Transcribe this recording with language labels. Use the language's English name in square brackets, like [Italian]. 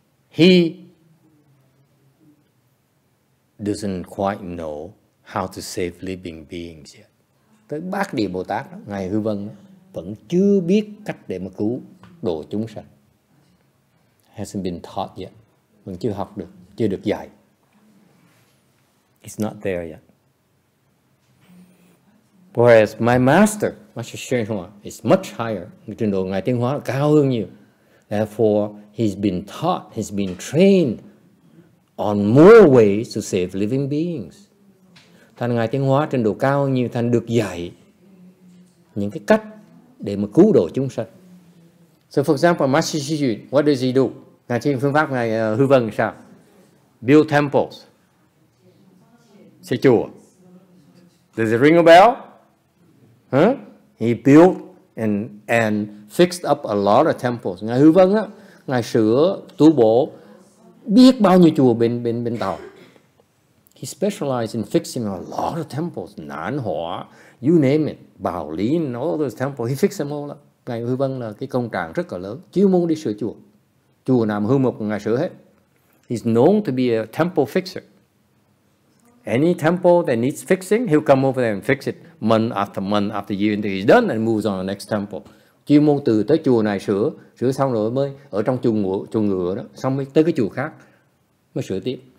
[English] He doesn't quite know how to save living beings yet. [Vietnamese] Tới Bát Địa Bồ Tát, Ngài Hư Vân vẫn chưa biết cách để mà cứu độ chúng sanh. [English] Hasn't been taught yet. [Vietnamese] Vẫn chưa học được, chưa được dạy. [English] It's not there yet. Whereas my master, Master XuanHua, is much higher. [Vietnamese] Trình độ Ngài Tiên Hóa cao hơn nhiều. [English] Therefore, he's been taught, he's been trained on more ways to save living beings. [Vietnamese] Thành Ngài Tiên Hóa trình độ cao hơn nhiều, thành được dạy những cái cách để mà cứu độ chúng sanh. [English] So for example, Master XuYun, what does he do? [Vietnamese] Ngài trên phương pháp Ngài Hư Vân sao? [English] Build temples. [Vietnamese] Xây chùa. [English] Does it ring a bell? Huh? He built and fixed up a lot of temples. [Vietnamese] Ngài Hư Vân á, Ngài sửa, tu bổ biết bao nhiêu chùa bên Tàu. [English] He specialized in fixing a lot of temples. Nán Hỏa, you name it, Bảo Lín, all those temples. He fixed them all up. [Vietnamese] Ngài Hư Vân là cái công trạng rất là lớn. Chuyên môn đi sửa chùa. Chùa nào hư mục, Ngài sửa hết. [English] He's known to be a temple fixer. Any temple that needs fixing, he'll come over there and fix it month after year until he's done and moves on to the next temple. [Vietnamese] Chuyên môn từ tới chùa này sửa xong rồi mới ở trong chùa ngựa đó, xong mới tới cái chùa khác mới sửa tiếp.